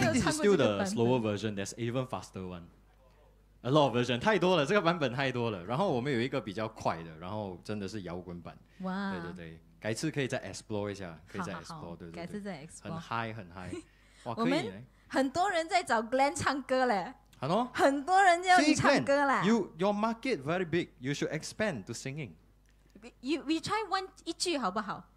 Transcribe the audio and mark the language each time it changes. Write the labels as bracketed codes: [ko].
[en] still the slower version. There's even faster one. A lot of version. [zh] 太多了，这个版本太多了。然后我们有一个比较快的，然后真的是摇滚版。哇！对对对，改次可以再 explore 一下，可以再 explore，好好好，对对对，改次再 explore。很 high， 很 high。哇，我们很多人在找 Glenn 唱歌嘞。 [en] Hello。 [zh] 很多人要你唱歌啦。 [en] Your market very big. You should expand to singing. We try one [zh] 一句好不好